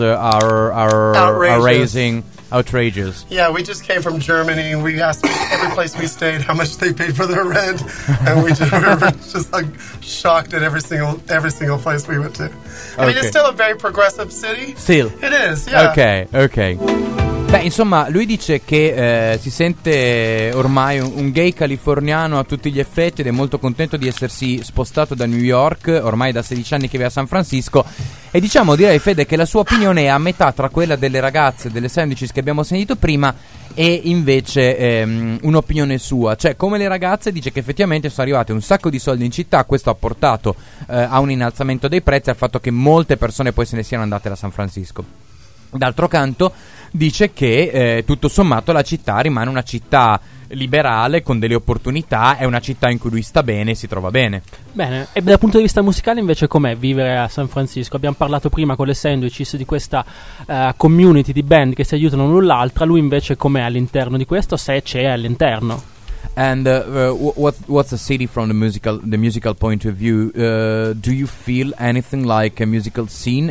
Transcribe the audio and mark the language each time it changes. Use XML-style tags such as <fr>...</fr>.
<en>are raising outrageous. Yeah, we just came from Germany. We asked every place we stayed how much they paid for their rent, and we were just like shocked at every single place we went to. Okay. I mean, it's still a very progressive city. Still, it is. Yeah. Okay. Okay.</en> <it>Beh, insomma, lui dice che si sente ormai un gay californiano a tutti gli effetti ed è molto contento di essersi spostato da New York, ormai da 16 anni che vive a San Francisco. E diciamo, direi, Fede, che la sua opinione è a metà tra quella delle ragazze, delle sandwiches che abbiamo sentito prima, e invece un'opinione sua. Cioè, come le ragazze, dice che effettivamente sono arrivate un sacco di soldi in città, questo ha portato a un innalzamento dei prezzi, al fatto che molte persone poi se ne siano andate da San Francisco. D'altro canto, dice che tutto sommato la città rimane una città liberale, con delle opportunità, è una città in cui lui sta bene e si trova bene. Bene, e dal punto di vista musicale invece com'è vivere a San Francisco? Abbiamo parlato prima con le Sandwiches di questa community di band che si aiutano l'un l'altra, lui invece com'è all'interno di questo, se c'è all'interno?</it> <en>And what's the city from the musical point of view? Do you feel anything like a musical scene?</en>